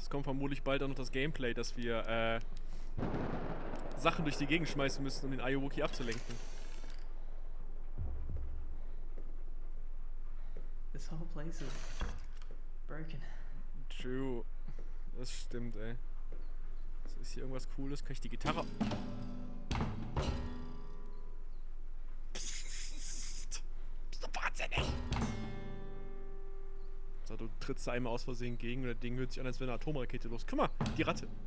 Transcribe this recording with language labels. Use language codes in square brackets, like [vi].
[de] Es kommt vermutlich bald auch noch das Gameplay, dass wir, Sachen durch die Gegend schmeißen müssen, um den Ayuwuki abzulenken. [en] This whole place is broken. True. [de] Das stimmt, ey. Ist hier irgendwas Cooles? Kann ich die Gitarre... Psst! Bist du wahnsinnig? So, du trittst da einmal aus Versehen gegen und das Ding hört sich an, als wäre eine Atomrakete los. Guck mal, die Ratte!